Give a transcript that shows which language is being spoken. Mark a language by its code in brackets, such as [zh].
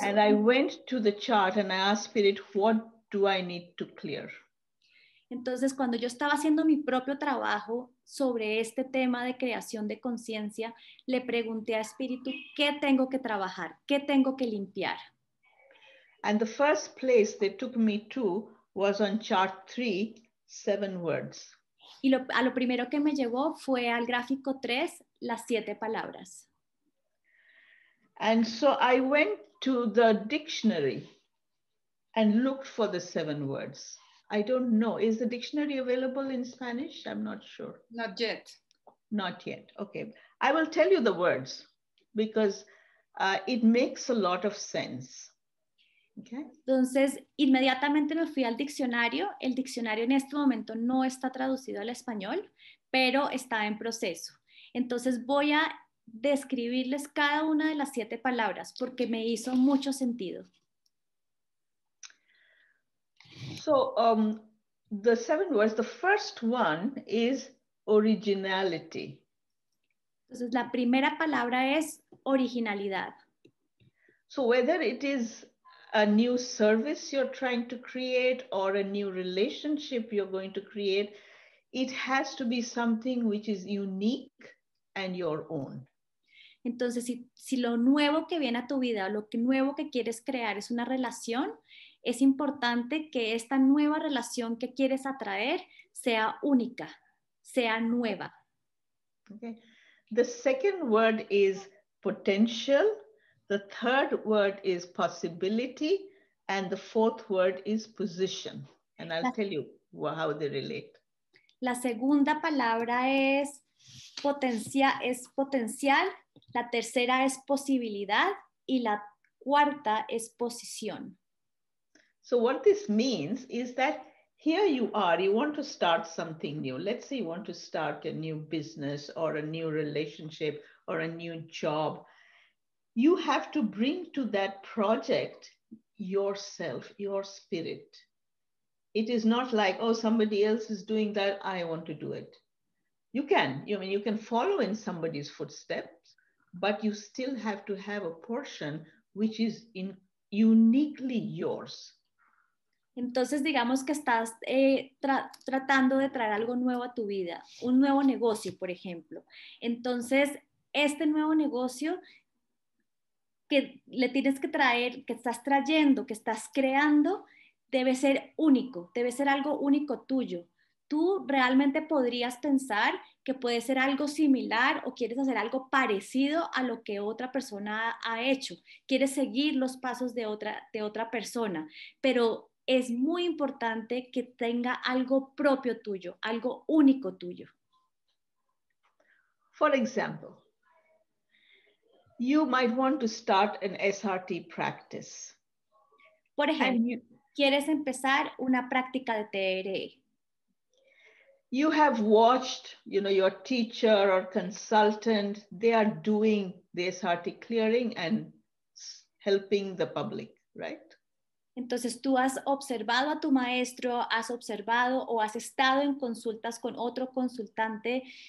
[en] and I went to the chart and I asked Spirit, what do I need to clear? [es] Entonces, cuando yo estaba haciendo mi propio trabajo sobre este tema de creación de conciencia, le pregunté a Espíritu, ¿qué tengo que trabajar? ¿Qué tengo que limpiar? [en] And the first place they took me to was on chart 3, 7 words. [es] Y a lo primero que me llevó fue al gráfico 3, las 7 palabras. [en] And so I went to the dictionary and looked for the 7 words. I don't know. Is the dictionary available in Spanish? I'm not sure. Not yet. Not yet. Okay. I will tell you the words because it makes a lot of sense. Okay. [es] Entonces, inmediatamente me fui al diccionario. El diccionario en este momento no está traducido al español, pero está en proceso. Entonces, voy a describirles cada una de las 7 palabras porque me hizo mucho sentido. [en] So, the 7 words, the first one is originality. [es] Entonces, la primera palabra es originalidad. [en] So, whether it is a new service you're trying to create or a new relationship you're going to create, it has to be something which is unique and your own. [es] Entonces, si lo nuevo que viene a tu vida, lo que nuevo que quieres crear es una relación, es importante que esta nueva relación que quieres atraer sea única, sea nueva. [en] Okay. The second word is potential. The third word is possibility, and the fourth word is position. And I'll tell you how they relate. [es] La segunda palabra es potencial, la tercera es posibilidad, y la cuarta es posición. [en] So what this means is that here you are, you want to start something new. Let's say you want to start a new business or a new relationship or a new job. You have to bring to that project yourself, your spirit. It is not like, oh, somebody else is doing that, I want to do it. You can follow in somebody's footsteps, but you still have to have a portion which is in uniquely yours. [es] Entonces, digamos que estás tratando de traer algo nuevo a tu vida, un nuevo negocio, por ejemplo. Entonces, este nuevo negocio que le tienes que traer, que estás trayendo, que estás creando, debe ser único, debe ser algo único tuyo. Tú realmente podrías pensar que puede ser algo similar o quieres hacer algo parecido a lo que otra persona ha hecho. Quieres seguir los pasos de otra persona, pero es muy importante que tenga algo propio tuyo, algo único tuyo. [en] For example, you might want to start an SRT practice. [es] Por ejemplo, ¿quieres empezar una práctica de TRE? [en] You have watched, you know, your teacher or consultant, they are doing the SRT clearing and helping the public, right? [es] Entonces, tú has observado a tu maestro, has observado o has estado en consultas con otro consultante.